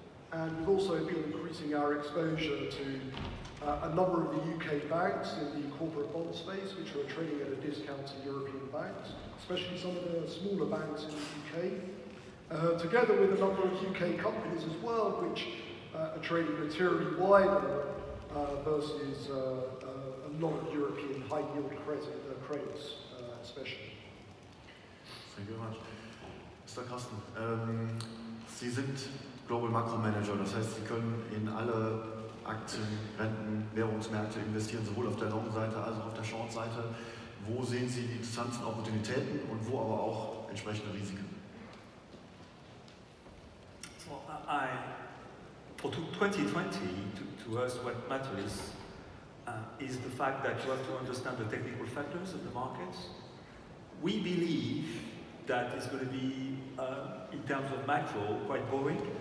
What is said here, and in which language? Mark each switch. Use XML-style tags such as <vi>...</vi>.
<en>And we've also been increasing our exposure to a number of the UK banks in the corporate bond space, which are trading at a discount to European banks, especially some of the smaller banks in the UK, together with a number of UK companies as well, which are trading materially wider versus a lot of European high-yield credits, especially. Thank you very much. Mr.</en> <de>Carsten, Sie sind Global Macro Manager, das heißt, Sie können in alle Aktien, Renten, Währungsmärkte investieren, sowohl auf der Long-Seite als auch auf der Short-Seite. Wo sehen Sie die interessanten Opportunitäten und wo aber auch entsprechende Risiken?</de> <en>So, for 2020, to us, what matters is the fact that you have to understand the technical factors of the markets, We believe that it's going to be, in terms of macro, quite boring.</en>